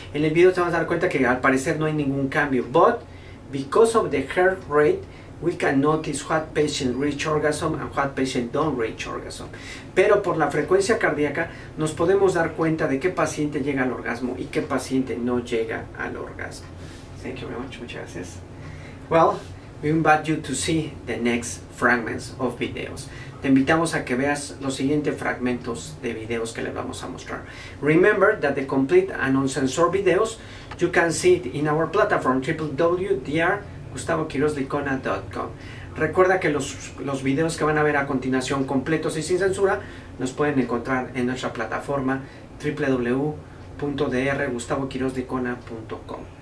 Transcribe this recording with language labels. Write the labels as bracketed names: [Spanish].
[Spanish] En el video te vas a dar cuenta que al parecer no hay ningún cambio. [English] But, because of the heart rate, we can notice what patient reach orgasm and what patient don't reach orgasm. [Spanish] Pero por la frecuencia cardíaca nos podemos dar cuenta de qué paciente llega al orgasmo y qué paciente no llega al orgasmo. [English] Thank you very much. [Spanish] Muchas gracias. [English] Well, we invite you to see the next fragments of videos. [Spanish] Te invitamos a que veas los siguientes fragmentos de videos que les vamos a mostrar. [English] Remember that the complete and uncensored videos, you can see it in our platform www.gustavoquirozlicona.com. [Spanish] Recuerda que los videos que van a ver a continuación, completos y sin censura, los pueden encontrar en nuestra plataforma www.drgustavoquirozlicona.com.